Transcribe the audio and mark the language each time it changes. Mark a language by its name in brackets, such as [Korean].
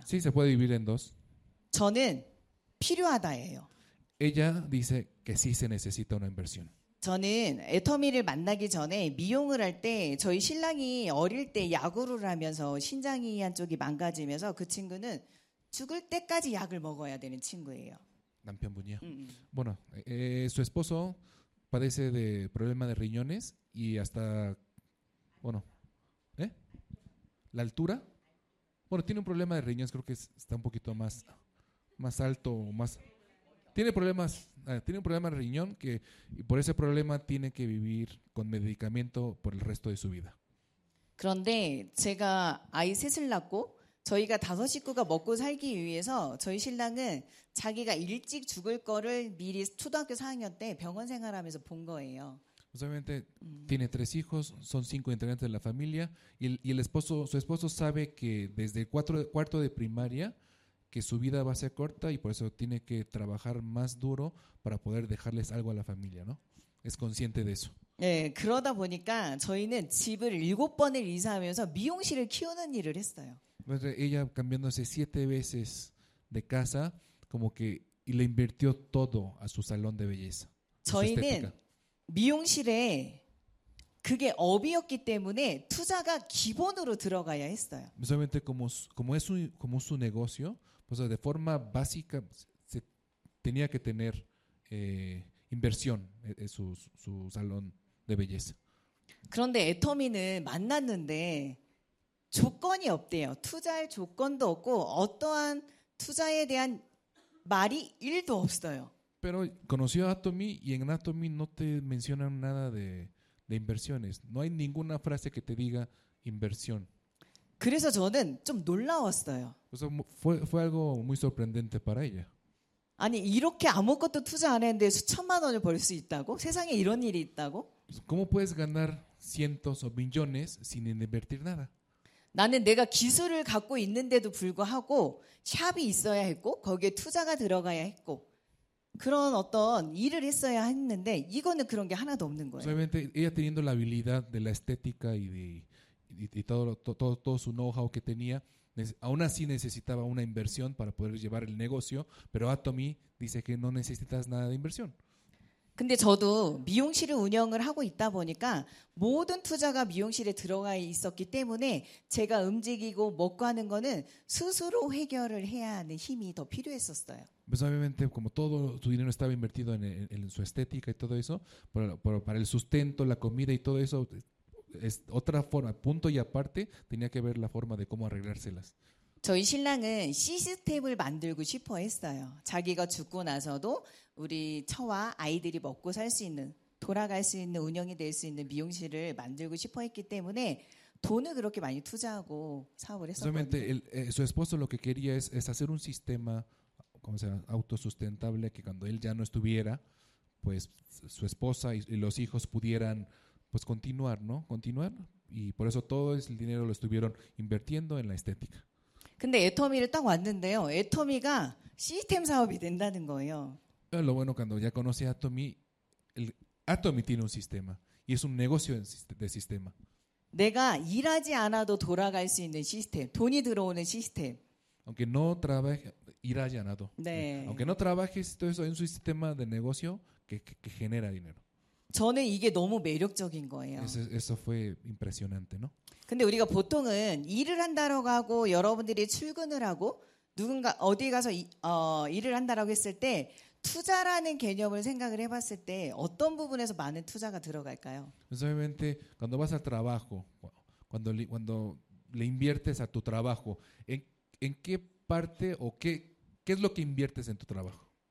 [Spanish] Sí, se puede dividir en dos. [Korean] 저는 필요하다예요. [Spanish] Ella dice que sí se necesita una inversión. [Korean] 저는 애터미를 만나기 전에 미용을 할 때 저희 신랑이 어릴 때 야구를 하면서 신장이한 쪽이 망가지면서 그 친구는 죽을 때까지 약을 먹어야 되는 친구예요. 남편분이요. [Spanish] Bueno, su esposo padece de problema de riñones y hasta bueno, ¿eh? La altura. Bueno, tiene un problema de riñones, creo que está un poquito más alto o más Tiene un problema de riñón que y por ese problema tiene que vivir con medicamento por el resto de su vida. [Korean] 그런데 제가 아이 셋을 낳고 저희가 다섯 식구가 먹고 살기 위해서 저희 신랑은 자기가 일찍 죽을 거를 미리 초등학교 4학년 때 병원 생활하면서 본 거예요. [Spanish] Obviamente tiene tres hijos, son cinco integrantes de la familia y el esposo su esposo sabe que desde el cuarto de primaria que su vida va a ser corta y por eso tiene que trabajar más duro para poder dejarles algo a la familia, ¿no? Es consciente de eso. [Korean] 예, 그러다 보니까 저희는 집을 일곱 번을 이사하면서 미용실을 키우는 일을 했어요. [Spanish] Ella cambiándose siete veces de casa como que y le invirtió todo a su salón de belleza. [Korean] 저희는 미용실에 그게 업이었기 때문에 투자가 기본으로 들어가야 했어요. [Spanish] Solamente como es su negocio, pues de forma básica se tenía que tener inversión en su salón de belleza. [Korean] 그런데 애터미는 만났는데 조건이 없대요. 투자할 조건도 없고 어떠한 투자에 대한 말이 1도 없어요. [Spanish] Pero conoció a Atomy y en Atomy no te mencionan nada de inversiones. No hay ninguna frase que te diga inversión. [Korean] 그래서 저는 좀 놀라웠어요. [Spanish] Eso fue algo muy sorprendente para ella. [Korean] 아니, 이렇게 아무것도 투자 안 했는데 수천만 원을 벌 수 있다고? 세상에 이런 일이 있다고? [Spanish] ¿Cómo puedes ganar cientos o millones sin invertir nada? [Korean] 나는 내가 기술을 갖고 있는데도 불구하고 샵이 있어야 했고 거기에 투자가 들어가야 했고 그런 어떤 일을 했어야 했는데 이거는 그런 게 하나도 없는 거예요. [Spanish] Solamente ella teniendo la habilidad de la estética y todo su know-how que tenía, aún así necesitaba una inversión para poder llevar el negocio, pero Atomy dice que no necesitas nada de inversión. [Korean] 근데 저도 미용실을 운영을 하고 있다 보니까 모든 투자가 미용실에 들어가 있었기 때문에 제가 움직이고 먹고 하는 거는 스스로 해결을 해야 하는 힘이 더 필요했었어요. [Spanish] Pues obviamente como todo su dinero estaba invertido en su estética y todo eso, pero para el sustento, la comida y todo eso es otra forma, punto y aparte, tenía que ver la forma de cómo arreglárselas. [Korean] 저희 신랑은 시스템을 만들고 싶어 했어요. 자기가 죽고 나서도 우리 처와 아이들이 먹고 살 수 있는, 돌아갈 수 있는, 운영이 될 수 있는 미용실을 만들고 싶어 했기 때문에 돈을 그렇게 많이 투자하고 사업을 했었거든요. [Spanish] Solamente su esposo lo que quería es hacer un sistema como sea autosustentable que cuando él ya no estuviera, pues su esposa y los hijos pudieran pues continuar, ¿no? Continuar y por eso todo el dinero lo estuvieron invirtiendo en la estética. [Korean] 근데 애터미를 딱 왔는데요. 애터미가 시스템 사업이 된다는 거예요. [Spanish] Lo bueno cuando ya conoce a Atomy, Atomy tiene un sistema y es un negocio de sistema. [Korean] 내가 일하지 않아도 돌아갈 수 있는 시스템, 돈이 들어오는 시스템. [Spanish] Aunque no trabaje, irás ganado. [Korean] 네. [Spanish] Aunque no trabajes todo eso en su sistema de negocio que genera dinero. [Korean] 저는 이게 너무 매력적인 거예요. [Spanish] Eso fue impresionante, ¿no? [Korean] 근데 우리가 보통은 일을 한다고 하고 여러분들이 출근을 하고 누군가 어디 가서 일을 한다고 했을 때 투자라는 개념을 생각을 해봤을 때 어떤 부분에서 많은 투자가 들어갈까요? [Spanish] Usualmente cuando vas al trabajo, cuando le inviertes a tu trabajo, ¿en qué parte o qué es lo que inviertes en tu trabajo?